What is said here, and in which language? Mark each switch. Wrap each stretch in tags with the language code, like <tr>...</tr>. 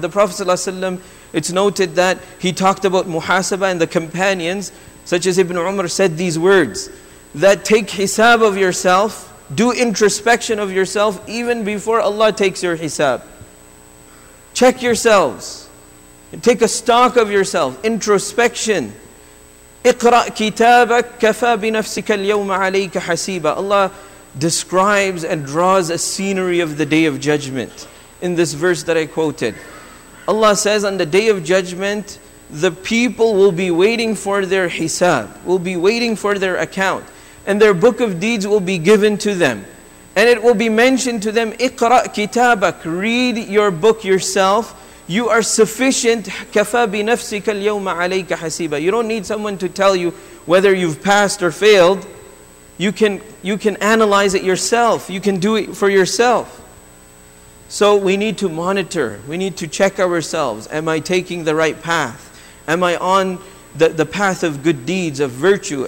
<en>The Prophet ﷺ, it's noted that he talked about muhasaba, and the companions, such as Ibn Umar, said these words, that take hisab of yourself, do introspection of yourself even before Allah takes your hisab. Check yourselves. Take a stock of yourself. Introspection.</en> <ar>اقرأ كتابك كفى بنفسك اليوم عليك حسيبا.</ar> <en>Allah describes and draws a scenery of the Day of Judgment in this verse that I quoted. Allah says on the Day of Judgment, the people will be waiting for their hisab, will be waiting for their account, and their book of deeds will be given to them. And it will be mentioned to them,</en> <ar>اقرأ كتابك,</ar> <en>read your book yourself. You are sufficient.</en> <ar>كفى بنفسك اليوم عليك حسيبا.</ar> <en>You don't need someone to tell you whether you've passed or failed. You can analyze it yourself. You can do it for yourself. So we need to monitor. We need to check ourselves. Am I taking the right path? Am I on the path of good deeds, of virtue?</en>